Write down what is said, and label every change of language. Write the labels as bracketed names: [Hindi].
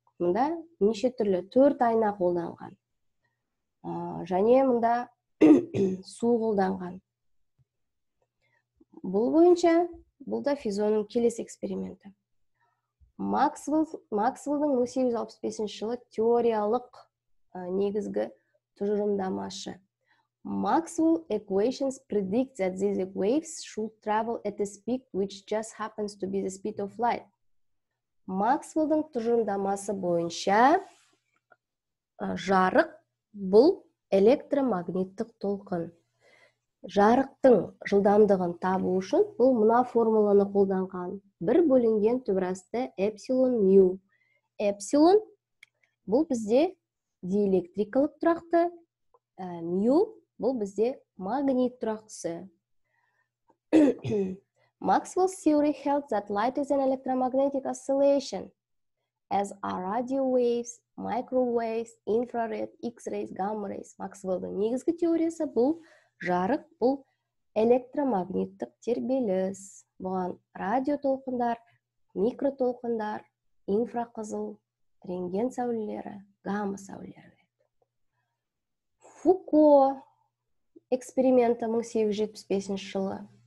[Kazakh] Мында неше түрлі 4 айна қолданған. Және мында су қолданған. Бұл бойынша бұл да Физоның келесі эксперименті. Максвеллдің 1865 жылы теориялық негізгі тұжырымдамашы. [English] Maxwell equations predict that these waves should travel at a speed which just happens to be the speed of light. [Kazakh] Максвеллдің тұжырымдамасы бойынша жарық бұл электромагниттік толқын. Жарықтың жылдамдығын табу үшін бұл мына формуланы қолданған. 1/2 эпсилон мю. Эпсилон бұл бізде диэлектрикалық тұрақты, мю бұл бізде магнит тұрақтысы. [English] Maxwell's theory held that light is an electromagnetic oscillation, as are radio waves, microwaves, infrared, X-rays, gamma rays. [Kazakh] Maxwell-дің негізгі теориясы бұл жарық, бұл электромагниттік тербеліс. Бұған радио толқындар, микро толқындар, инфрақызыл, рентген сәулелері, гамма сәулелері. Фуко эксперименті 1875 жылы.